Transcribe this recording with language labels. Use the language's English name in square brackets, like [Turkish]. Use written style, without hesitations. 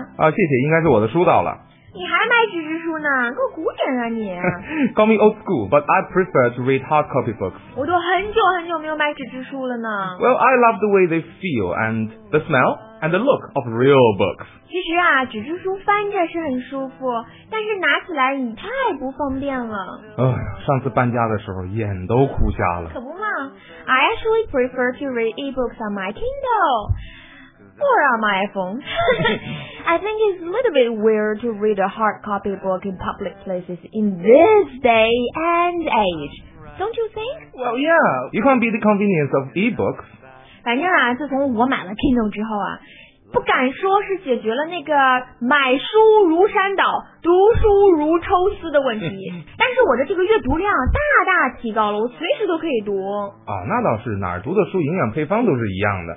[Chinese] 啊，谢谢，应该是我的书到了。你还买纸质书呢，够古典啊你。 [English] Call me old school, but I prefer to read hard copy books. [Chinese] 我都很久很久没有买纸质书了呢。 [English] Well, I love the way they feel and the smell and the look of real books. [Chinese] 其实啊，纸质书翻着是很舒服，但是拿起来你太不方便了。上次搬家的时候眼都哭瞎了。可不嘛， [English] I actually prefer to read e-books on my Kindle. Or on my iPhone. I think it's a little bit weird to read a hard copy book in public places in this day and age. Don't you think? Well, yeah. You can't beat the convenience of e-books. [Chinese] 反正啊，自从我买了 Kindle 之后啊，不敢说是解决了那个买书如山倒，读书如抽丝的问题，但是我的这个阅读量大大提高了，我随时都可以读。哦，那倒是，哪儿读的书营养配方都是一样的。